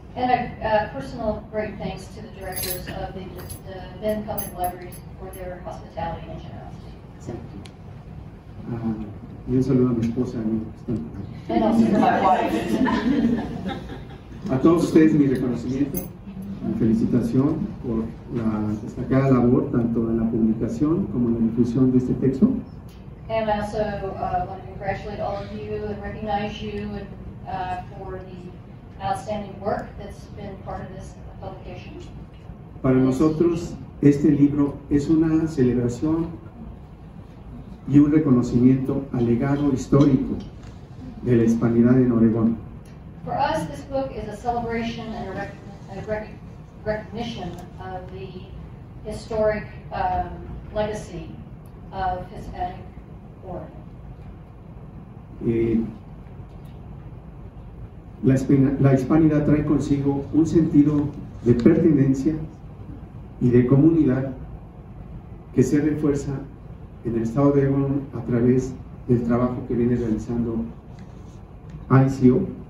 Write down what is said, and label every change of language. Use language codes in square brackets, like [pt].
[en] And a personal great thanks to the directors of the Ben Public Libraries for their hospitality and generosity. [es] Y un saludo a mi esposa, a mi [en] And also to my wife. [es] A todos ustedes mi reconocimiento, mi felicitación por la destacada labor tanto en la publicación como en la difusión de este texto. [en] And also want to congratulate all of you and recognize you and for the outstanding work that's been part of this publication. [es] Para nosotros este libro es una celebración y un reconocimiento al legado histórico de la hispanidad en Oregón. [en] For us, this book is a celebration and a recognition of the historic legacy of Hispanic Oregon. [es] La hispanidad trae consigo un sentido de pertenencia y de comunidad que se refuerza en el estado de Oregon a través del trabajo que viene realizando ICO.